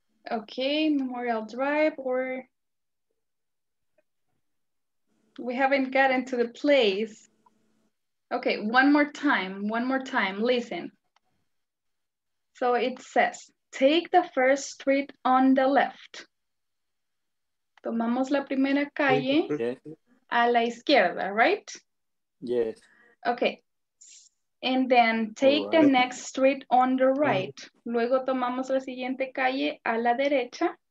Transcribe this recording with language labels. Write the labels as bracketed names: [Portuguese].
[English] Okay, Memorial Drive, or we haven't gotten to the place. Okay, one more time, listen. So it says, take the first street on the left. [Spanish] Tomamos la primera calle a la izquierda, [English] right? Yes. Okay. And then take the next street on the right. [Spanish] Luego tomamos la siguiente calle a la derecha.